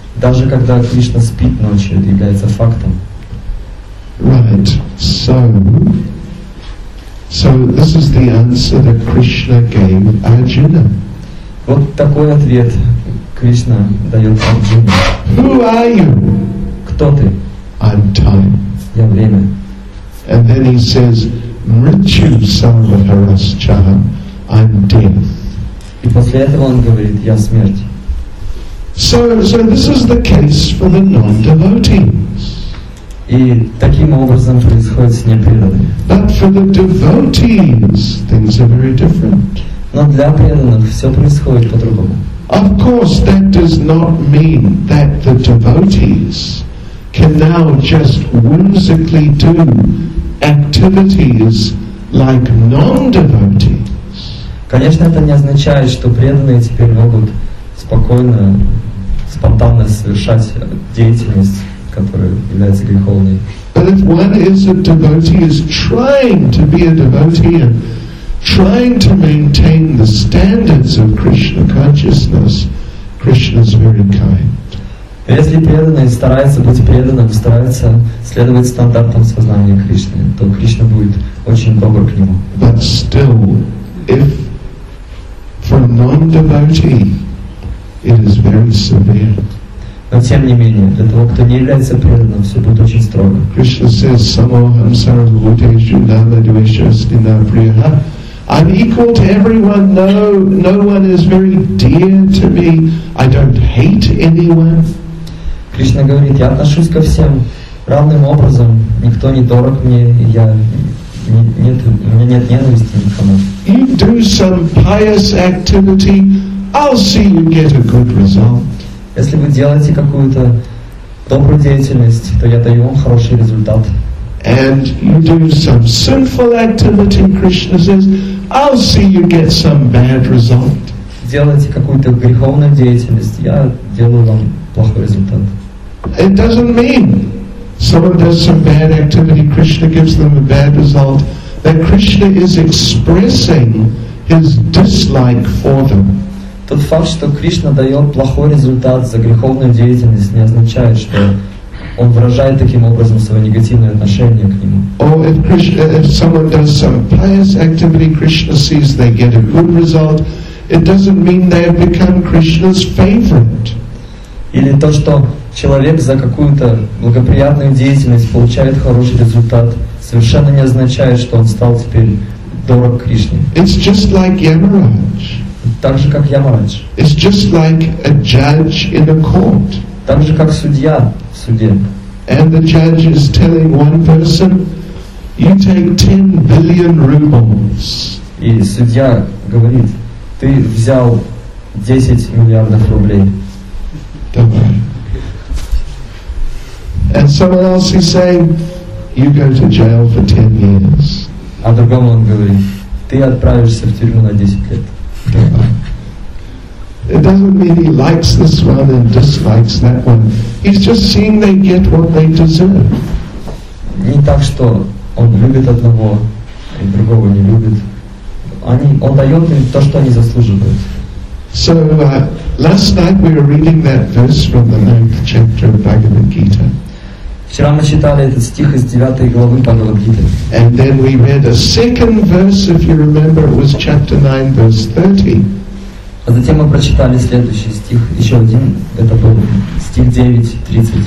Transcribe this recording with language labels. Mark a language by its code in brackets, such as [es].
[ru] Даже когда Кришна спит ночью, это является фактом. [en] Right. So this is the answer that Krishna gave Arjuna. [ru] Вот такой ответ Кришна дает Арджуне. [en] Who are you? [ru] Кто ты? [en] I'm time. [ru] Я время. [en] And then he says, [sa] Mrityu Sarvaharascham, [en] I'm death. [ru] И после этого он говорит, я смерть. [en] So this is the case for the non-devotees. [ru] И таким образом происходит с непреданными. [en] But for the devotees, things are very different. [ru] Но для преданных все происходит по-другому. [en] Of course, that does not mean that the devotees can now just whimsically do activities like non-devotees. [ru] Конечно, это не означает, что преданные теперь могут спокойно спонтанно совершать деятельность, которая является греховной. [en] But if one is a devotee, is trying to be a devotee and trying to maintain the standards of Krishna consciousness, Krishna is very kind. [ru] Если преданный старается быть преданным, старается следовать стандартам сознания Кришны, то Кришна будет очень добр к нему. [en] But still, if for non-devotee, it is very severe. [ru] Но тем не менее, для того, кто не является преданным, все будет очень строго. [en] Krishna says, [sa] Samoham Sarvabhuteshu Namadveshastina Priyaha. [en] I'm equal to everyone. No one is very dear to me. I don't hate anyone. [ru] Кришна говорит, я отношусь ко всем равным образом. Никто не дорог мне, у меня нет ненависти никому. [en] You do some pious activity, I'll see you get a good result. [ru] Если вы делаете какую-то добрую деятельность, то я даю вам хороший результат. [en] And you do some sinful activity, Krishna says, I'll see you get some bad result. [ru] Делаете какую-то греховную деятельность, я делаю вам плохой результат. [en] It doesn't mean someone does some bad activity, Krishna gives them a bad result, that Krishna is expressing his dislike for them. [ru] Тот факт, что Кришна дает плохой результат за греховную деятельность, не означает, что он выражает таким образом свое негативное отношение к нему. [en] Or if someone does some pious activity, Krishna sees they get a good result, it doesn't mean they have become Krishna's favorite. [ru] Или то, что человек за какую-то благоприятную деятельность получает хороший результат, совершенно не означает, что он стал теперь дорог Кришне. [en] It's just like Yamaraj. [ru] Так же, как Ямарадж. [en] It's just like a judge in a court. [ru] Так же, как судья в суде. [en] And the judge is telling one person, You take 10 billion rubles. [ru] И судья говорит: ты взял 10 миллиардов рублей. [en] And someone else is saying, you go to jail for 10 years. [ru] А другому он говорит: ты отправишься в тюрьму на 10 лет. [en] It doesn't mean he likes this one and dislikes that one. He's just seeing they get what they deserve. [ru] Не так, что он любит одного и другого не любит. Он дает им то, что они заслуживают. [en] So last night we were reading that verse from the 9th chapter of Bhagavad Gita. [ru] Вчера мы читали этот стих из 9 главы Бхагавад Гиты. [en] And then we read a second verse, if you remember, it was chapter 9, verse 30. [ru] А затем мы прочитали следующий стих, еще один, это был стих 9:30.